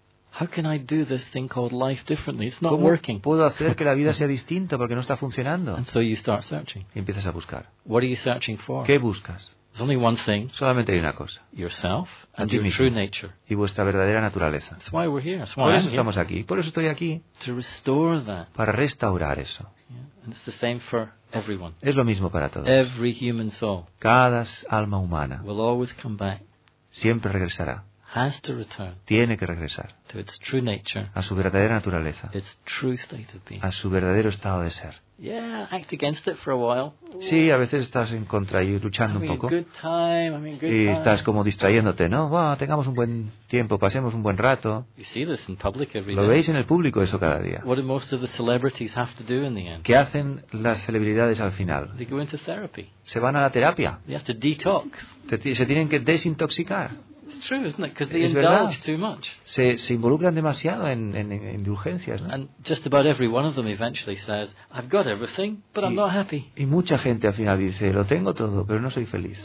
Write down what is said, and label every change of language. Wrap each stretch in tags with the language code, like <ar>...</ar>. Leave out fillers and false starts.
<en>How can I do this thing called life differently? It's not working.</en> <es>¿Cómo puedo hacer que la vida sea distinta porque no está funcionando?</es> <en>And so you start searching.</en> <es>Y empiezas a buscar.</es> <en>What are you searching for?</en> <es>¿Qué buscas?</es> <en>There's only one thing.</en> <es>Solamente hay una cosa.</es> <en>Yourself and your true nature.</en> <es>Y vuestra verdadera naturaleza.</es> <en>That's why we're here.</en> <es>Por eso estamos aquí. Por eso estoy aquí.</es> <en>To restore that.</en> <es>Para restaurar eso.</es> <en>Yeah. And it's the same for everyone.</en> <es>Es lo mismo para todos.</es> <en>Every human soul.</en> <es>Cada alma humana.</es> <en>Will always come back.</en> <es>Siempre regresará.</es> <en>Has to return,</en> <es>tiene que regresar,</es> <en>to its true nature,</en> <es>a su verdadera naturaleza,</es> <en>its true state of being,</en> <es>a su verdadero estado de ser.</es> <en>Yeah, act against it for a while.</en> <es>Sí, a veces estás en contra y luchando un poco.</es> <en>A good time,</en> <es>y estás como distrayéndote, ¿no? Bueno, tengamos un buen tiempo, pasemos un buen rato.</es> <en>You see this in public every day.</en> <es>Lo veis en el público eso cada día.</es> <en>What do most of the celebrities have to do in the end?</en> <es>¿Qué hacen las celebridades al final?</es> <en>They go into therapy.</en> <es>Se van a la terapia.</es> <en>They have to detox.</en> <es>Se tienen que desintoxicar.</es> <en>True, isn't it? Because they indulge too much.</en> <es>Se involucran demasiado en indulgencias, ¿no?</es> <en>And just about every one of them eventually says, "I've got everything, but I'm not happy."</en> <es>Y mucha gente al final dice, "Lo tengo todo, pero no soy feliz."</es>